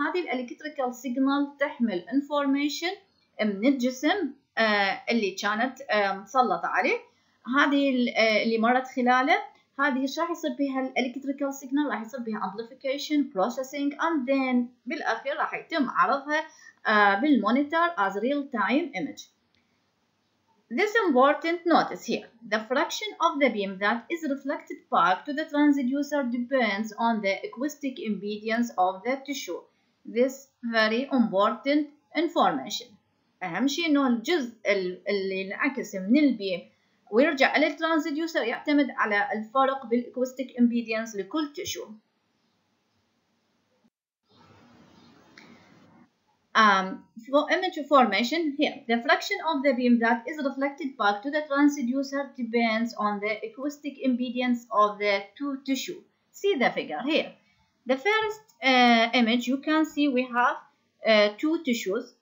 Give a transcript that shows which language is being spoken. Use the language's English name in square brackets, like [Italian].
[Arabic] هذه الإلكتريكال سيجنال تحمل إنفورميشن من الجسم اللي كانت مسلطة عليه. هذه اللي مرت خلاله هذه ايش راح يصير بها الالكتريكال سيجنال راح يصير بها [English] amplification processing and then [Arabic] بالاخير راح يتم عرضها بالمونيتور [English] As real time image. This important notice here, the fraction of the beam that is reflected back to the transducer depends on the acoustic impedance of the tissue. This very important information. [Arabic] اهم شيء انه الجزء اللي انعكس من البيم ويرجع إلى الترانسديوسر يعتمد على الفرق بالإكوستيك إمبيديانس لكل تشو. [English] For image formation here, the fraction of the beam that is reflected back to the transducer depends on the acoustic impedance of the two tissue. See the figure here. The first image you can see we have two tissues.